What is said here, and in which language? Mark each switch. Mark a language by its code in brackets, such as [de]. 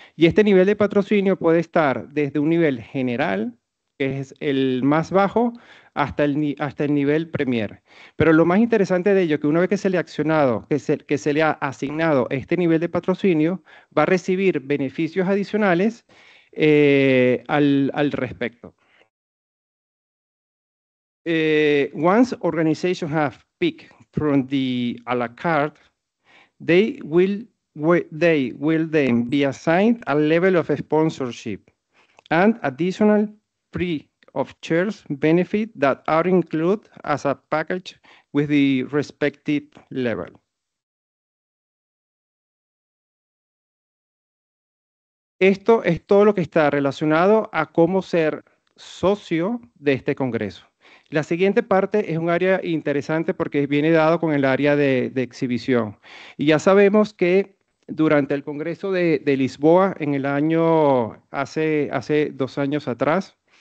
[es] Y este nivel de patrocinio puede estar desde un nivel general, que es el más bajo, hasta el nivel premier. Pero lo más interesante de ello es que una vez que se le ha accionado, que se le ha asignado este nivel de patrocinio, va a recibir beneficios adicionales al respecto. [en] Once organizations have picked from the a la carte, they will then be assigned a level of sponsorship and additional free of charge benefit that are included as a package with the respective level. [es] Esto es todo lo que está relacionado a cómo ser socio de este congreso. La siguiente parte es un área interesante porque viene dado con el área de exhibición. Y ya sabemos que durante el Congreso de Lisboa, hace 2 años atrás,